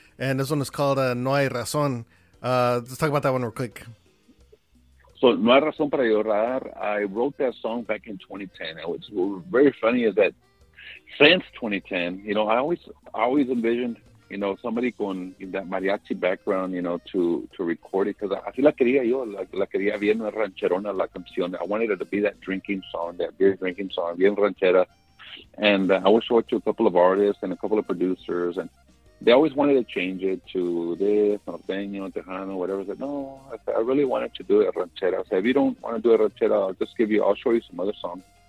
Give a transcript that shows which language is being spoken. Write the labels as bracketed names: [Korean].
[English] And this one is called No Hay Razón. Let's talk about that one real quick. So, No Hay Razón Para Llorar, I wrote that song back in 2010. And what's very funny is that since 2010, you know, I always envisioned, you know, somebody con that mariachi background, you know, to record it. [Spanish] Because así la quería yo, la quería bien rancherona la canción. [English] I wanted it to be that drinking song, that beer drinking song, [Spanish] bien ranchera. [English] And I was short to a couple of artists and a couple of producers, and they always wanted to change it to this, norteño, tejano, whatever. I said, no, I really wanted to do a ranchera. I said, if you don't want to do a ranchera, I'll just give you, I'll show you some other songs.